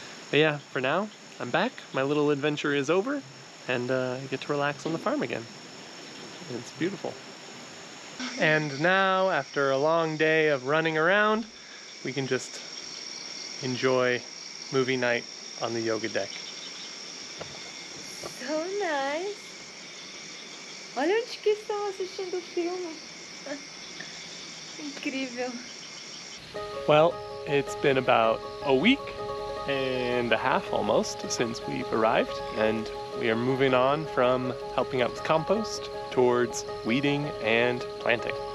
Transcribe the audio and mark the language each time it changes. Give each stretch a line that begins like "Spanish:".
English: But yeah, for now, I'm back. My little adventure is over, and I get to relax on the farm again. It's beautiful. And now, after a long day of running around, we can just enjoy movie night on the yoga deck. So nice.
Portuguese: Olha onde que estão assistindo o filme. Incrível.
English: Well, it's been about a week and a half almost since we've arrived, and we are moving on from helping out with compost towards weeding and planting.